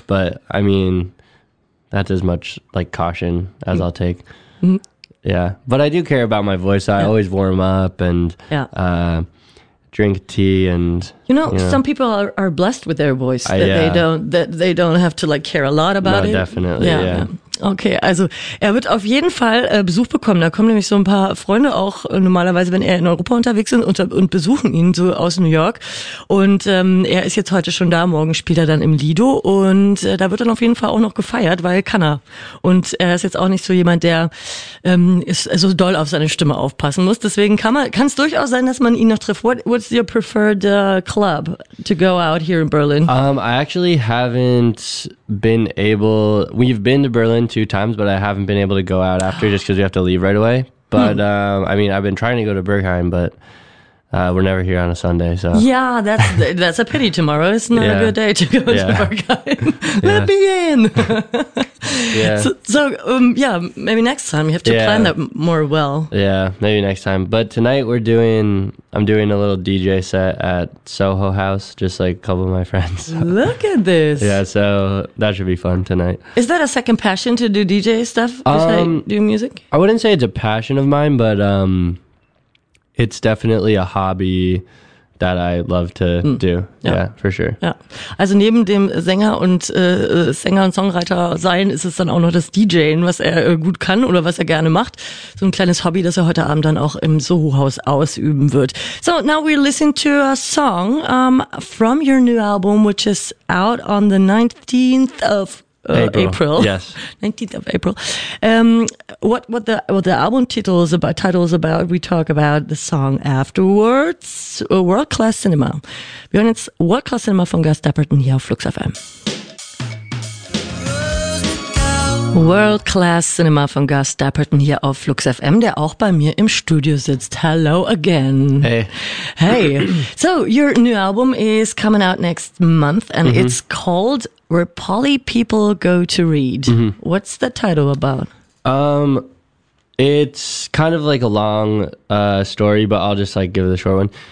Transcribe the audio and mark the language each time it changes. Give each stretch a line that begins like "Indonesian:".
English: But, I mean, that's as much, like, caution as I'll take. Mm-hmm. Yeah. But I do care about my voice. So I always warm up and drink tea and... You know, some people are blessed with their voice. They don't have to, like, care a lot about it. No, definitely. Yeah.
German: Okay, also er wird auf jeden Fall Besuch bekommen. Da kommen nämlich so ein paar Freunde auch normalerweise, wenn er in Europa unterwegs ist und besuchen ihn so aus New York. Und er ist jetzt heute schon da, morgen spielt er dann im Lido. Und da wird dann auf jeden Fall auch noch gefeiert, weil kann er. Und er ist jetzt auch nicht so jemand, der so doll auf seine Stimme aufpassen muss. Deswegen kann es durchaus sein, dass man ihn noch trifft.
English: What's your preferred club to go out here in Berlin? I actually haven't been able... We've been to Berlin two times, but I haven't been able to go out after just because we have to leave right away. But I mean, I've been trying to go to Berghain, but we're never here on a Sunday, so yeah, that's a pity. Tomorrow is not a good day to go to Berghain. Let me in. So maybe next time you have to plan that more well. Yeah, maybe next time. But tonight I'm doing a little DJ set at Soho House, just like a couple of my friends. Look at this. Yeah, so that should be fun tonight. Is that a second passion to do DJ stuff? Do music? I wouldn't say it's a passion of mine, but it's definitely a hobby that I love to do. Yeah, for sure. Yeah.
German: Also neben dem Sänger und Songwriter sein, ist es dann auch noch das DJen, was er gut kann oder was er gerne macht. So ein kleines Hobby, das er heute Abend dann auch im Soho House ausüben wird.
English: So now we listen to a song from your new album, which is out on the 19th of April. Yes. 19th of April. What the album title is about, we talk about the song afterwards. World Class Cinema.
German: Wir hören jetzt World Class Cinema von Gus Dapperton hier auf Flux FM. World Class Cinema von Gus Dapperton hier auf Flux FM, der auch bei mir im Studio sitzt.
English: Hello again. Hey. So, your new album is coming out next month and it's called Where Poly People Go to Read. Mm-hmm. What's the title about? It's kind of like a long story, but I'll just like give it a short one.